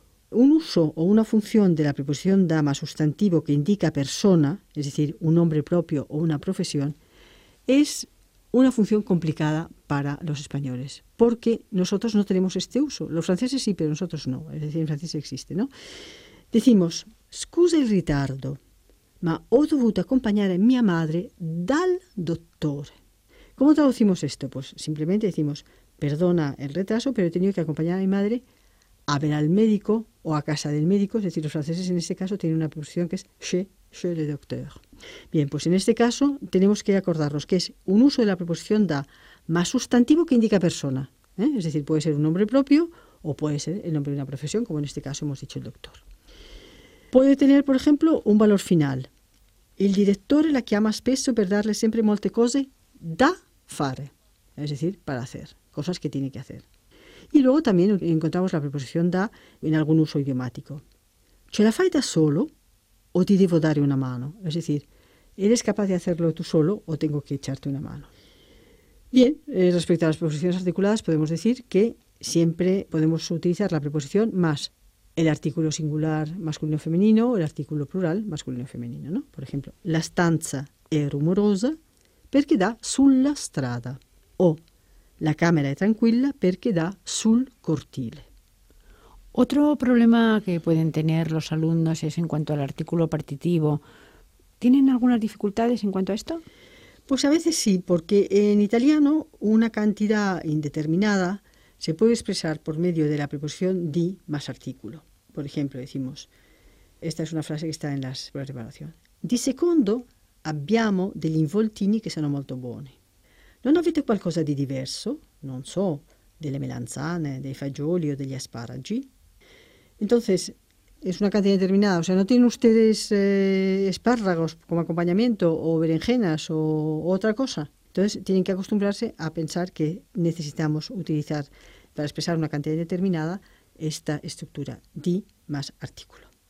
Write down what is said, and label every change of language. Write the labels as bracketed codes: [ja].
[es] Un uso o una función de la preposición da más sustantivo que indica persona, es decir, un nombre propio o una profesión, es una función complicada para los españoles, porque nosotros no tenemos este uso. Los franceses sí, pero nosotros no. Es decir, en francés existe, ¿no? Decimos, [it] scusa il ritardo, ma ho dovuto accompagnare mia madre dal dottore. [es] ¿Cómo traducimos esto? Pues simplemente decimos, perdona el retraso, pero he tenido que acompañar a mi madre a ver al médico o a casa del médico. Es decir, los franceses en este caso tienen una preposición que es chez, [fr] Je le docteur. [es] Bien, pues en este caso tenemos que acordarnos que es un uso de la preposición da más sustantivo que indica persona. Es decir, puede ser un nombre propio o puede ser el nombre de una profesión, como en este caso hemos dicho el doctor. Puede tener, por ejemplo, un valor final. [it] El director la chiama spesso per darle sempre molte cose da fare, [es] es decir, para hacer, cosas que tiene que hacer. Y luego también encontramos la preposición da en algún uso idiomático. [it] ¿Ce la fai da solo o ti devo dare una mano? [es] Es decir, ¿eres capaz de hacerlo tú solo o tengo que echarte una mano? Bien, respecto a las preposiciones articuladas, podemos decir que siempre podemos utilizar la preposición más el artículo singular masculino-femenino o el artículo plural masculino-femenino, ¿no? Por ejemplo, [it] la stanza è rumorosa perché da sulla strada o la camera è tranquilla perché da sul cortile. [es] Otro problema que pueden tener los alumnos es en cuanto al artículo partitivo. ¿Tienen algunas dificultades en cuanto a esto? Pues a veces sí, porque en italiano una cantidad indeterminada se puede expresar por medio de la preposición di más artículo. Por ejemplo, decimos, esta es una frase que está en las pruebas de evaluación. [it] Di secondo abbiamo degli involtini che sono molto buoni. Non avete qualcosa di diverso? Non so, delle melanzane, dei fagioli o degli asparagi? [es] Entonces, es una cantidad determinada. O sea, ¿no tienen ustedes espárragos como acompañamiento o berenjenas o otra cosa? Entonces, tienen que acostumbrarse a pensar que necesitamos utilizar, para expresar una cantidad determinada, esta estructura, di más artículo.